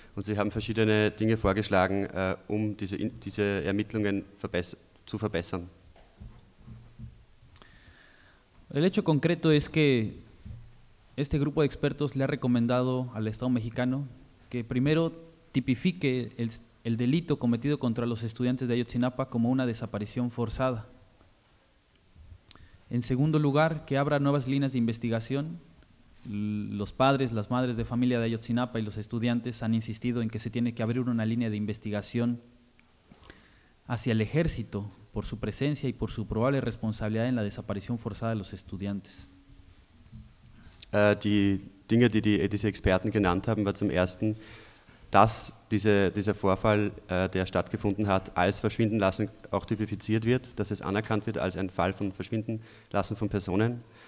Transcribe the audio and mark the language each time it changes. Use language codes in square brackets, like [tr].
[de] Und sie haben verschiedene Dinge vorgeschlagen, um diese Ermittlungen zu verbessern. [es] El hecho concreto es que este grupo de expertos le ha recomendado al Estado mexicano que primero tipifique el delito cometido contra los estudiantes de Ayotzinapa como una desaparición forzada. En segundo lugar, que abra nuevas líneas de investigación. Los padres, las madres de familia de Ayotzinapa y los estudiantes han insistido en que se tiene que abrir una línea de investigación hacia el ejército por su presencia y por su probable responsabilidad en la desaparición forzada de los estudiantes. [de] Die Dinge, die diese Experten genannt haben, war zum Ersten, dass dieser Vorfall, der stattgefunden hat, als Verschwindenlassen auch typifiziert wird, dass es anerkannt wird als ein Fall von Verschwindenlassen von Personen.